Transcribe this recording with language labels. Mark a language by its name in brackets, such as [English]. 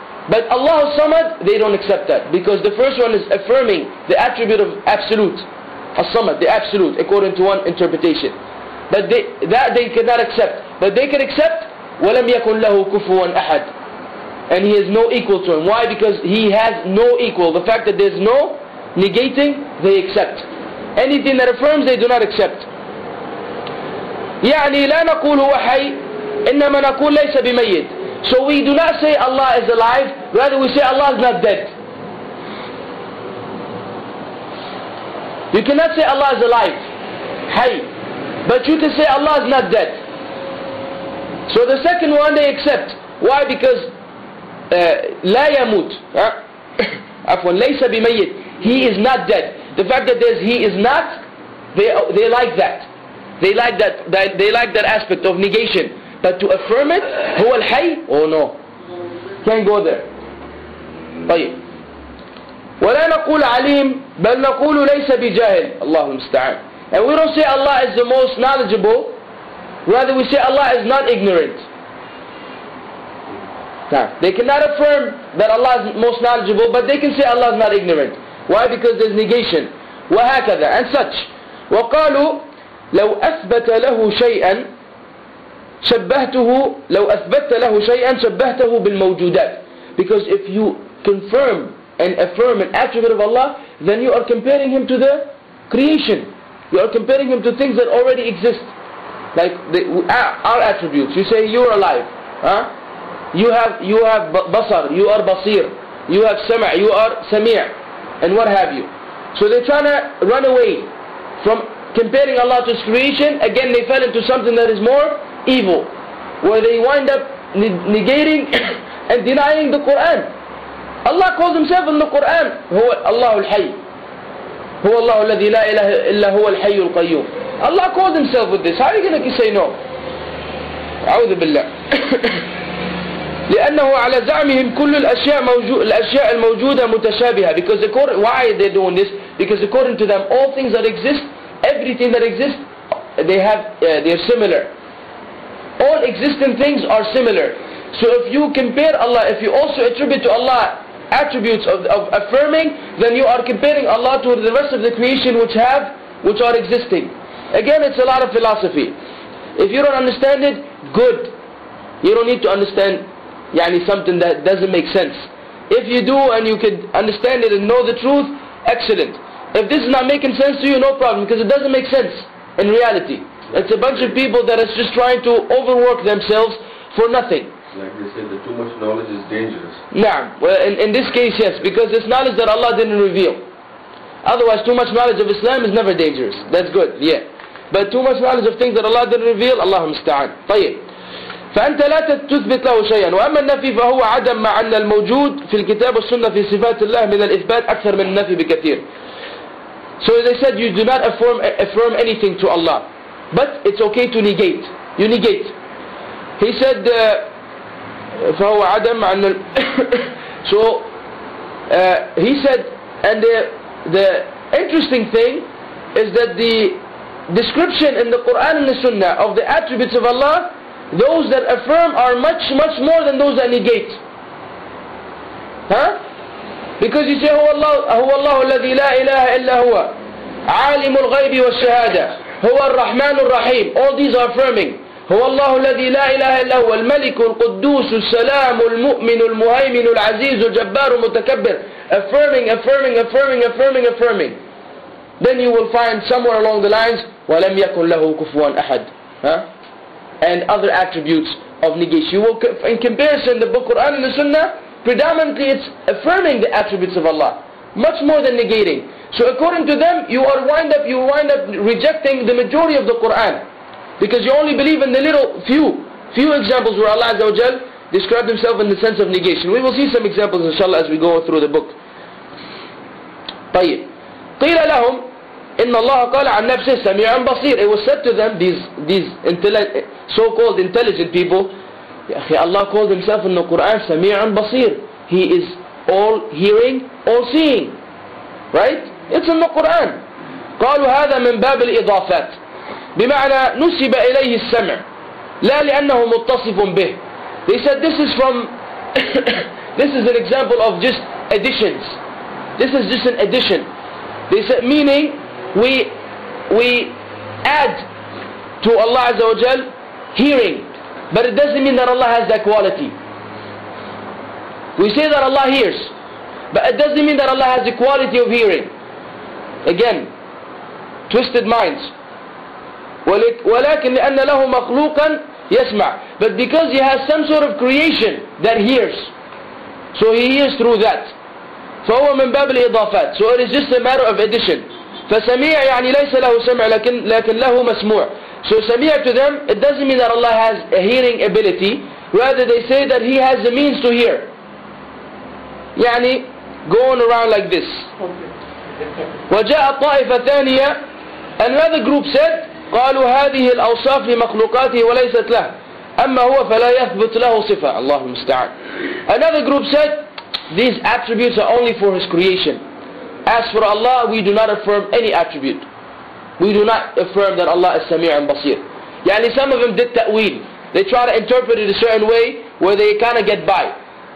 [English] But Allah As-Samad, they don't accept that, because the first one is affirming the attribute of absolute, As-Samad, the absolute, according to one interpretation. But they cannot accept. But they can accept, [Arabic] وَلَمْ يَكُنْ لَهُ كُفُوًا أَحَدٍ, [English] and He is no equal to Him. Why? Because He has no equal. The fact that there is no negating, they accept. Anything that affirms, they do not accept. [Arabic] يعني لا نقول هو حي إنما نقول ليس بميت. [English] So we do not say Allah is alive, rather we say Allah is not dead. You cannot say Allah is alive, hay, but you can say Allah is not dead. So the second one they accept. Why? Because [Arabic] لا يموت, أفوان, ليس بميت, [English] He is not dead. The fact that there's He is not, they like that. They like that. They like that aspect of negation. But to affirm it, [Arabic] هو الحي, [English] oh no, can't go there. [Arabic] طيب, ولا نقول عليم بل نقول ليس بجاهل, الله المستعان. [English] And we don't say Allah is the most knowledgeable, rather we say Allah is not ignorant. They cannot affirm that Allah is most knowledgeable, but they can say Allah is not ignorant. Why? Because there's negation. [Arabic] وهكذا, [English] and such. [Arabic] وقالوا لو أثبت له شيئا شبهته, لو أثبت له شيئا شبهته بالموجودات. [English] Because if you confirm and affirm an attribute of Allah, then you are comparing Him to the creation. You are comparing Him to things that already exist, like our attributes. You say you are alive, huh? You have basar, you are basir. You have sama', you are sami', and what have you. So they're trying to run away from comparing Allah to His creation. Again, they fell into something that is more evil, where they wind up negating and denying the Quran. Allah calls Himself in the Quran, [Arabic] هو الله الحي, هو الله الذي لا إله إلا هو الحي القيوم. [English] Allah calls Himself with this. How are you going to say no? [Arabic] أعوذ بالله. لأنه على زعمهم كل الأشياء موجود الأشياء الموجودة متشابهة. [English] Because according why they doing this? Because according to them, all things that exist, everything that exists, they have they are similar. All existing things are similar. So if you compare Allah, if you also attribute to Allah attributes of affirming, then you are comparing Allah to the rest of the creation which have which are existing. Again, it's a lot of philosophy. If you don't understand it, good. You don't need to understand يعني something that doesn't make sense. If you do and you can understand it and know the truth, excellent. If this is not making sense to you, no problem, because it doesn't make sense in reality. It's a bunch of people that are just trying to overwork themselves for nothing. Like they said, that too much knowledge is dangerous. Yeah, well, in this case, yes, because it's knowledge that Allah didn't reveal. Otherwise, too much knowledge of Islam is never dangerous. That's good, yeah. But too much knowledge of things that Allah didn't reveal, Allahu musta'an. [Arabic] طيب. فأنت لا تثبت له شيئا وأما النفي فهو عدم مع أن الموجود في الكتاب والسنة في صفات الله من الإثبات أكثر من النفي بكثير. [English] So they said you do not affirm anything to Allah, but it's okay to negate. You negate. He said [Arabic] فهو عدم مع أن [English] so he said and the interesting thing is that the description in the Quran and the Sunnah of the attributes of Allah, those that affirm are much, much more than those that negate. Huh? Because you say, [Arabic] هو الله الذي لا إله إلا هو عالم الغيب والشهادة هو الرحمن الرحيم. [English] All these are affirming. [Arabic] هو الله الذي لا إله إلا هو الملك القدوس السلام المؤمن المهيمن العزيز الجبار المتكبر. [English] Affirming, affirming, affirming, affirming, affirming. Then you will find somewhere along the lines, [Arabic] ولم يكن له كفوا أحد. [English] Huh? And other attributes of negation. You will, in comparison, the book Quran and the Sunnah, predominantly it's affirming the attributes of Allah, much more than negating. So according to them, you wind up rejecting the majority of the Quran, because you only believe in the little few examples where Allah Azza wa Jal described Himself in the sense of negation. We will see some examples, inshallah, as we go through the book. [Arabic] طيب. قيل لهم إن الله قال عن نفسه سميع بصير. [English] It was said to them, these so-called intelligent people, Allah called Himself in the Quran سميع بصير. He is all hearing, all seeing. Right? It's in the Quran. [Arabic] قالوا هذا من باب الإضافات. بمعنى نسب إليه السمع. لا لأنه متصف به. [English] They said this is from, this is an example of just additions. This is just an addition. They said meaning, We add to Allah Azza wa Jal hearing, but it doesn't mean that Allah has that quality. We say that Allah hears, but it doesn't mean that Allah has the quality of hearing. Again, twisted minds. [Arabic] ولكن لأن له مخلوقا يسمع. [English] But because he has some sort of creation that hears, so he hears through that. [Arabic] فهو من باب الإضافات. [English] So it is just a matter of addition. [Arabic] فسميع يعني ليس له سمع لكن له مسموع. [English] So سميع to them, it doesn't mean that Allah has a hearing ability. Rather they say that He has the means to hear. يعني going around like this. [Arabic] وجاء الطائفة الثانية, [English] another group said, [Arabic] قالوا هذه الأوصاف لمخلوقاته وليست له. أما هو فلا يثبت له صفة. الله المستعان. [English] Another group said, these attributes are only for His creation. As for Allah, we do not affirm any attribute. We do not affirm that Allah is Sami' and Basir. يعني some of them did ta'wil. They try to interpret it a certain way where they kind of get by.